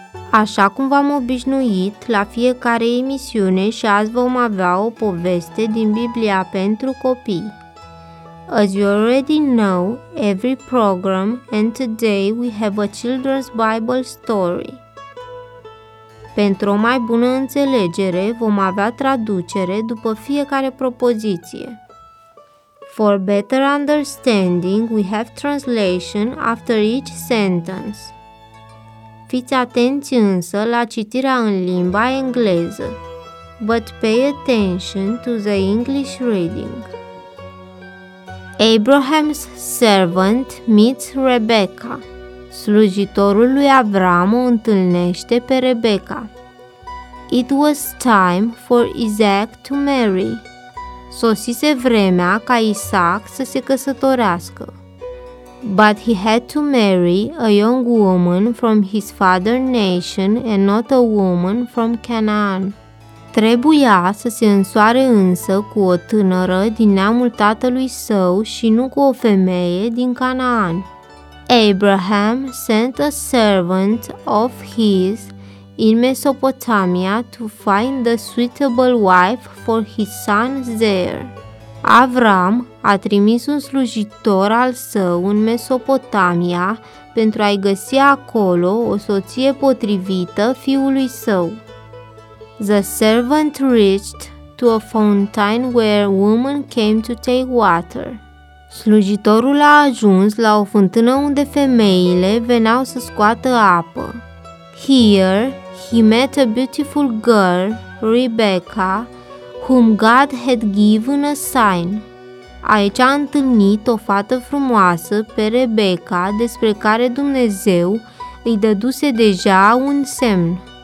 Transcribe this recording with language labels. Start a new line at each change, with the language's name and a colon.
Romanian: Așa cum v-am obișnuit, la fiecare emisiune și azi vom avea o poveste din Biblia pentru copii.
English: As you already know, every program, and today we have a children's Bible story.
Romanian: Pentru o mai bună înțelegere, vom avea traducere după fiecare propoziție.
English: For better understanding, we have translation after each sentence.
Romanian: Fiți atenți însă la citirea în limba engleză.
English: But pay attention to the English reading. Abraham's servant meets Rebecca.
Romanian: Slujitorul lui Avram o întâlnește pe Rebecca.
English: It was time for Isaac to marry.
Romanian: Sosise vremea ca Isaac să se căsătorească.
English: But he had to marry a young woman from his father's nation and not a woman from Canaan.
Romanian: Trebuia să se însoare însă cu o tânără din neamul tatălui său și nu cu o femeie din Canaan.
English: Abraham sent a servant of his in Mesopotamia to find the suitable wife for his son there.
Romanian: Avram a trimis un slujitor al său în Mesopotamia pentru a-i găsi acolo o soție potrivită fiului său.
English: The servant reached to a fountain where a woman came to take water.
Romanian: Slujitorul a ajuns la o fântână unde femeile veneau să scoată apă.
English: Here he met a beautiful girl, Rebecca, whom God had given a sign.
Romanian: Aici a întâlnit o fată frumoasă pe Rebecca, despre care Dumnezeu îi dăduse deja un semn.